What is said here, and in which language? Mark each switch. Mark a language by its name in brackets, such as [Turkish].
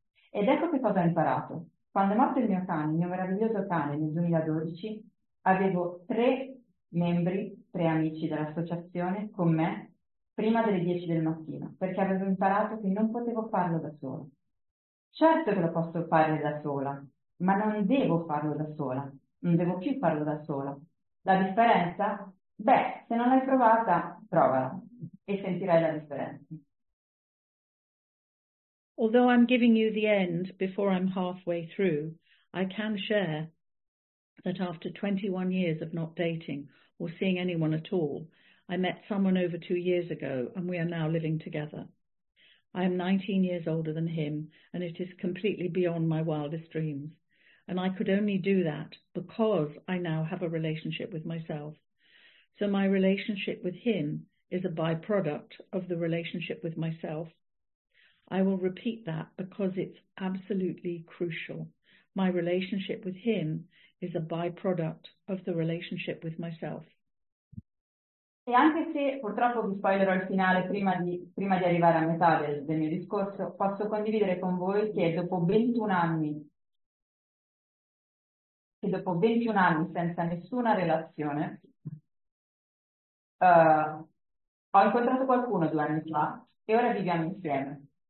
[Italian] Ed ecco che cosa ho imparato. Quando è morto il mio meraviglioso cane, nel 2012, avevo 3 amici dell'associazione con me prima delle 10 del mattino, perché avevo imparato che non potevo farlo da sola. Certo che lo posso fare da sola, ma non devo farlo da sola, non devo più farlo da sola. La differenza? Beh, se non l'hai provata, provala e sentirai la differenza. [English] Although I'm giving you the end before I'm halfway through, I can share that after 21 years of not dating or seeing anyone at all, I met someone over 2 years ago and we are now living together. I am 19 years older than him and it is completely beyond my wildest dreams. And I could only do that because I now have a relationship with myself. So my relationship with him is a byproduct of the relationship with myself. I will repeat that because it's absolutely crucial. My relationship with him is a byproduct of the relationship with myself. [Italian] E anche se purtroppo vi spoilerò il finale prima di arrivare a metà del mio discorso, posso condividere con voi che dopo 21 anni senza nessuna relazione, ho incontrato qualcuno 2 anni fa e ora viviamo insieme.